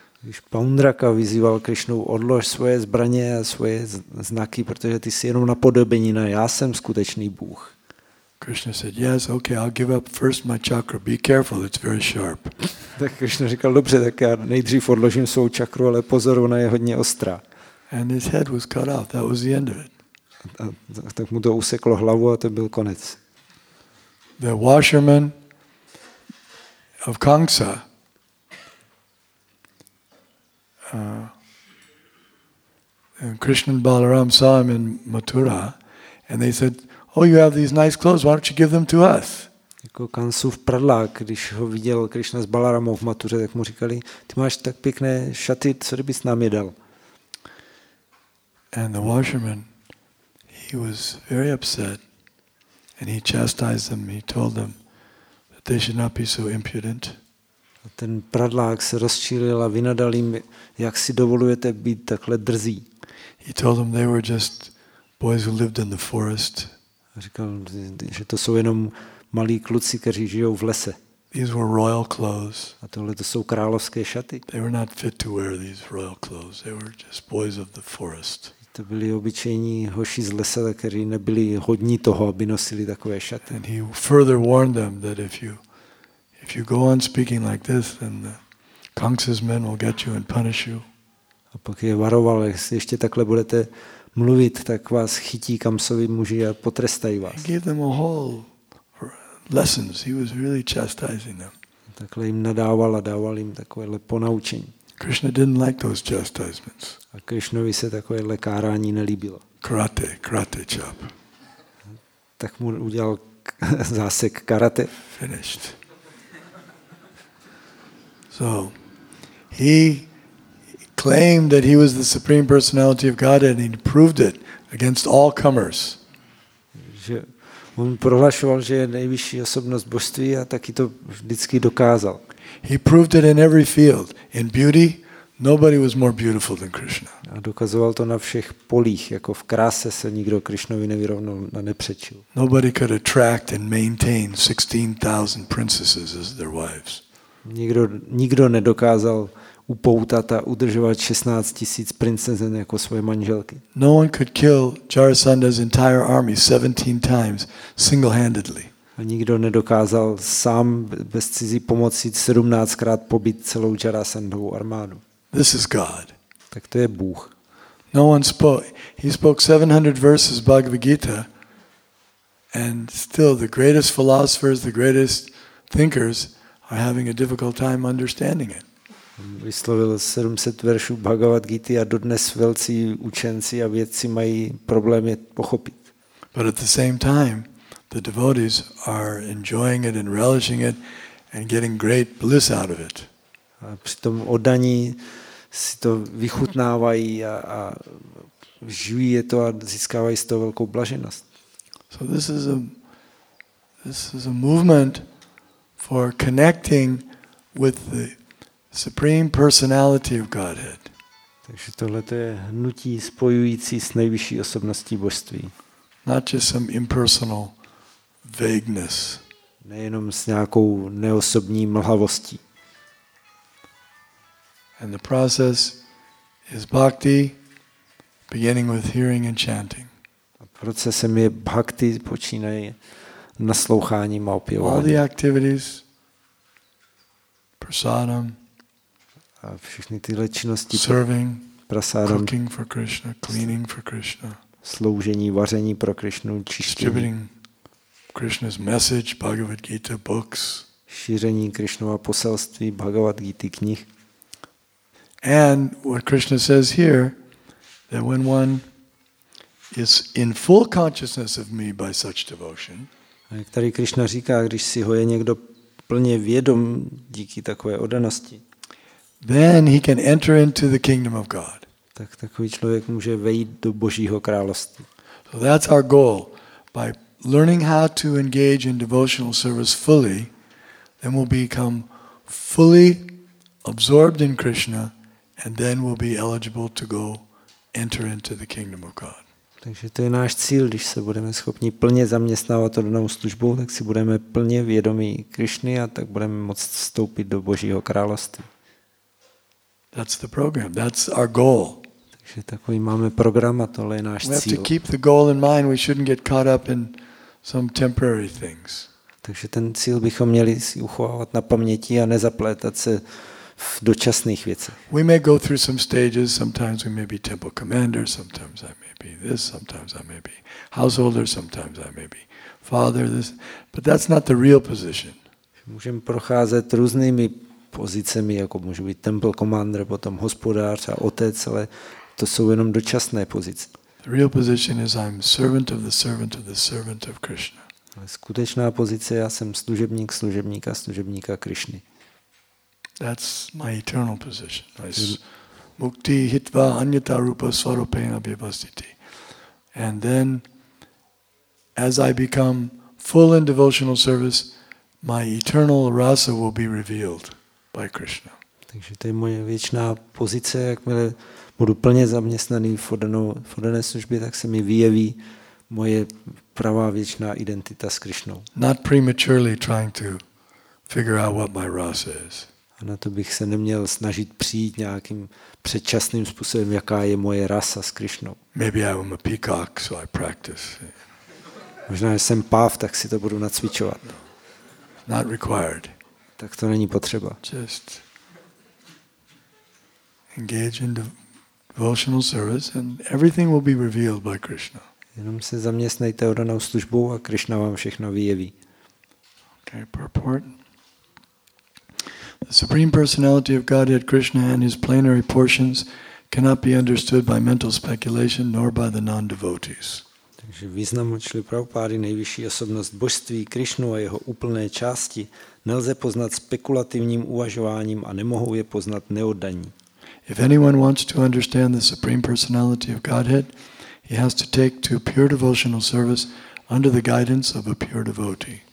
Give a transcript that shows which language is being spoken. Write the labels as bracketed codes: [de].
[cs] Když Pondraka vyzýval Krišnu, odlož svoje zbraně a svoje znaky, protože ty jsi jenom napodobenina, já jsem skutečný Bůh. [en] Krishna said, yes, okay, I'll give up first my chakra, be careful, it's very sharp. [cs] Tak Krishna říkal, dobře, tak já nejdřív odložím svou čakru, ale pozor, ona je hodně ostrá. [en] And his head was cut off, that was the end of it. [cs] Tak mu to useklo hlavu a to byl konec. [en] The washerman of Kangsa and Krishna and Balaram saw him in Mathura and they said, oh, you have these nice clothes, why don't you give them to us? [cs] Jako Kansův prdlák, když ho viděl Krishna s Balaramou v Mathuře, tak mu říkali, ty máš tak pěkné šaty, co bys nám je dal? [en] And the washerman, he was very upset and he chastised them, he told them that they should not be so impudent. [cs] Ten pradlák se rozčílil a vynadal jim, jak si dovolujete být takhle drzí. [en] He told them they were just boys who lived in the forest. [cs] Říkal, že to jsou jenom malí kluci, kteří žijou v lese. [en] These were royal clothes. [cs] A tohle to jsou královské šaty. [en] They were not fit to wear these royal clothes. They were just boys of the forest. [cs] To byli obyčejní hoši z lesa, kteří nebyli hodní toho, aby nosili takové šaty. [en] And he further warned them that if you go on speaking like this, then the Kangxi's men will get you and punish you. [cs] A pak je varoval, jestli ještě takhle budete mluvit, tak vás chytí Kamsovi muži a potrestají vás. [en] He gave them a whole lessons. He was really chastising them. [cs] Takhle jim nadával a dával jim takovéhle ponaučení. [en] Krishna didn't like those chastisements. [cs] A Krishnovi se takovéhle kárání nelíbilo. [en] Karate chop. [cs] Tak mu udělal zásek karate. [en] Finished. So, he claimed that he was the supreme personality of God and he proved it against all comers. [cs] On prohlašoval, že je nejvyšší osobnost božství a taky to vždycky dokázal. [en] He proved it in every field. In beauty, nobody was more beautiful than Krishna. [cs] A dokazoval to na všech polích, jako v kráse se nikdo Krishnovi nevyrovnal a nepřečil. [en] Nobody could attract and maintain 16,000 princesses as their wives. [cs] Nikdo nedokázal upoutat a udržovat 16,000 princezen jako svoje manželky. [en] No one could kill Jarasandha's entire army 17 times single-handedly. [cs] A nikdo nedokázal sám bez cizí pomoci 17krát pobít celou Jarasandhovu armádu. [en] This is God. [cs] Tak to je Bůh. [en] No one spoke. He spoke 700 verses Bhagavad Gita and still the greatest philosophers, the greatest thinkers are having a difficult time understanding it. [cs] Vyslovil 700 veršů Bhagavad Gita a dodnes velcí učenci a vědci mají problém je pochopit. [en] But at the same time, the devotees are enjoying it and relishing it and getting great bliss out of it. [cs] A přitom oddaní si to vychutnávají a žijí je to a získávají z toho velkou blaženost. [en] So this is a movement for connecting with the supreme personality of Godhead. [cs] Takže tohle to je hnutí spojující s nejvyšší osobností božství. [en] Not just some impersonal vagueness. [cs] Nejenom s nějakou neosobní mlhavostí. [en] And the process is bhakti, beginning with hearing and chanting. [cs] A procesem je bhakti, počínaje nasloucháním a opěváním. [en] All the activities, prasadam, [cs] a všechny tyhle činnosti, [en] serving, [cs] prasádam, [en] cooking for Krishna, cleaning for Krishna, [cs] sloužení, vaření pro Krishnu, [en] distributing Krishna's message, Bhagavad Gita books, [cs] šíření Krishnova poselství, Bhagavad Gita knih. [en] And what Krishna says here, that when one is in full consciousness of me by such devotion, [cs] jak tady Krishna říká, když si ho je někdo plně vědom díky takové oddanosti, [en] then he can enter into the kingdom of God. [cs] Tak takový člověk může vejít do Božího království. [en] So that's our goal. By learning how to engage in devotional service fully, then we'll become fully absorbed in Krishna and then we'll be eligible to go enter into the kingdom of God. [cs] Takže to je náš cíl, když se budeme schopni plně zaměstnávat oddanou službu, tak si budeme plně vědomí Krišny a tak budeme moct vstoupit do Božího království. [en] That's the program. That's our goal. [cs] Takže takový máme program a tohle je náš cíl. [en] We have to keep the goal in mind. We shouldn't get caught up in some temporary things. [cs] Takže ten cíl bychom měli si uchovávat na paměti a nezaplétat se v dočasných věcech. [en] We may go through some stages. Sometimes we may be temple commander. Sometimes I may be this. Sometimes I may be householder. Sometimes I may be father. This. But that's not the real position. [cs] Můžeme procházet různými pozicemi, jako může být temple commander, potom hospodář a otec, ale to jsou jenom dočasné pozice. [en] The real position is I'm servant of the servant of the servant of Krishna. [cs] Ale skutečná pozice, já jsem služebník služebníka služebníka Krishny. [en] That's my eternal position. [sa] Mukti hitva anyata rupa svarupena vyavastiti. [en] And then as I become full in devotional service, my eternal rasa will be revealed. [cs] Takže to je moje věčná pozice, jakmile budu plně zaměstnaný v oddané službě, tak se mi vyjeví moje pravá věčná identita s Krišnou. [en] Not prematurely trying to figure out what my rasa is. [cs] A na to bych se neměl snažit přijít nějakým předčasným způsobem, jaká je moje rasa s Krišnou. [en] Maybe I'm a peacock, so I practice. [cs] Možná, že jsem páv, tak si to budu nacvičovat. [en] Not required. [cs] Tak to není potřeba. [en] Just engage in devotional service and everything will be revealed by Krishna. [cs] Jenom se zaměstnejte oddanou službou a Krišna vám všechno vyjeví. [en] Okay, purport. The Supreme Personality of Godhead Krishna and his plenary portions cannot be understood by mental speculation nor by the non-devotees. [cs] Takže význam učili Prabhupády, nejvyšší osobnost božství, Krišnu a jeho úplné části, nelze poznat spekulativním uvažováním a nemohou je poznat neoddaní. [en] If anyone wants to understand the Supreme Personality of Godhead, he has to take to pure devotional service under the guidance of a pure devotee.